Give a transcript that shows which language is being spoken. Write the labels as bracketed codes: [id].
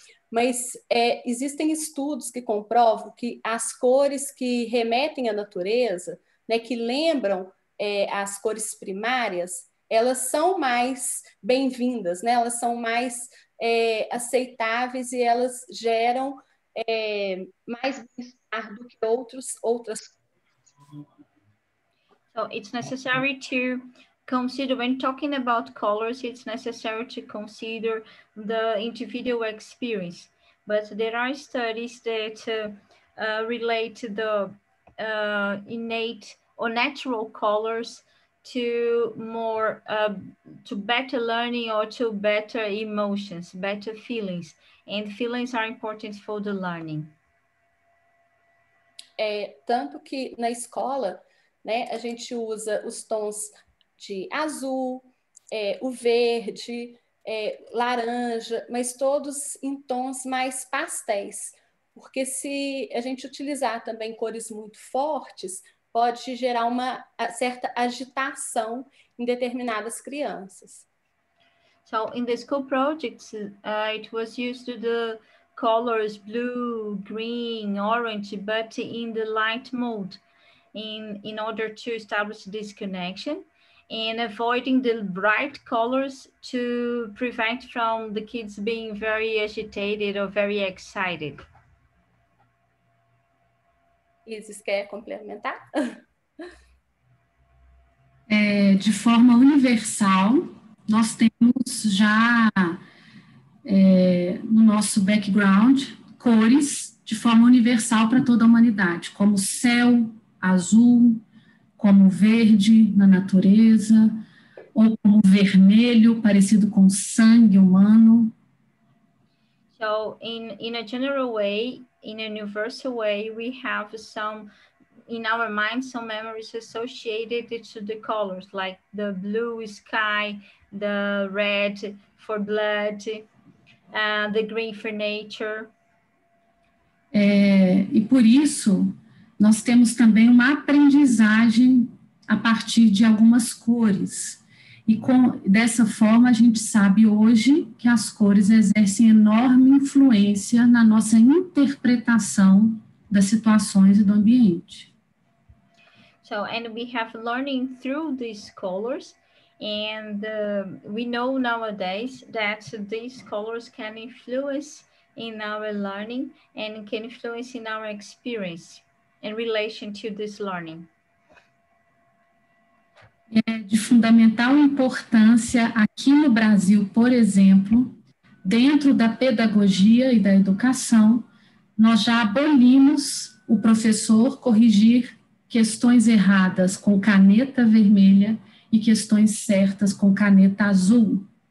[pt] Mas existem estudos que comprovam que as cores que remetem à natureza, né, que lembram as cores primárias, elas são mais bem-vindas, né? Elas são mais aceitáveis e elas geram mais bem-estar do que outras cores. [en] So it's necessary to consider, when talking about colors, it's necessary to consider the individual experience. But there are studies that relate to the innate or natural colors to more to better learning or to better emotions, better feelings. And feelings are important for the learning. [pt] Tanto que na escola, né? A gente usa os tons de azul, o verde, laranja, mas todos em tons mais pastéis. Porque se a gente utilizar também cores muito fortes, pode gerar uma certa agitação em determinadas crianças. [en] So, in the school projects, it was used to the colors, blue, green, orange, but in the light mode, in order to establish this connection, and avoiding the bright colors to prevent from the kids being very agitated or very excited. [pt] Isis, quer complementar? É, de forma universal, nós temos já é, no nosso background cores de forma universal para toda a humanidade, como céu azul, como verde na natureza, ou como vermelho parecido com sangue humano. [en] So, in a general way, in a universal way, we have some, in our mind, some memories associated to the colors, like the blue sky, the red for blood, the green for nature. [pt] É, e por isso, nós temos também uma aprendizagem a partir de algumas cores. E com, dessa forma, a gente sabe hoje que as cores exercem enorme influência na nossa interpretação das situações e do ambiente. [en] So, and we have learning through these colors, and we know nowadays that these colors can influence in our learning and can influence in our experience in relation to this learning. [pt] É de fundamental importância aqui no Brasil, por exemplo, dentro da pedagogia e da educação, nós já abolimos o professor corrigir questões erradas com caneta vermelha e questões certas com caneta azul.